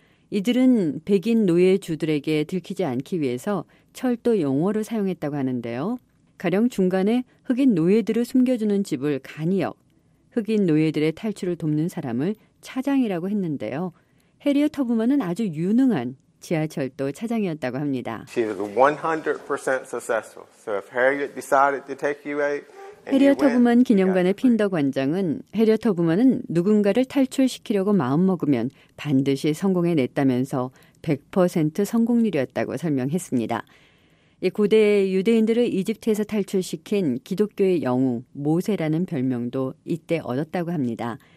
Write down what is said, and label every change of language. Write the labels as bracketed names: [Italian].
[Korean] 이들은 백인 노예주들에게 들키지 않기 위해서 철도 용어로 사용했다고 하는데요. 가령 중간에 흑인 노예들을 숨겨주는 집을 간이역, 흑인 노예들의 탈출을 돕는 사람을 차장이라고 했는데요. 해리어 터브먼은 아주 유능한 지하철도 차장이었다고 합니다. [English] She was 100% successful. So if Harriet decided to take you out, [Korean] 해리어 터브먼 기념관의 핀더 관장은 해리어 터브먼은 누군가를 탈출시키려고 마음먹으면 반드시 성공해 냈다면서 100% 성공률이었다고 설명했습니다. 고대 유대인들을 이집트에서 탈출시킨 기독교의 영웅 모세라는 별명도 이때 얻었다고 합니다.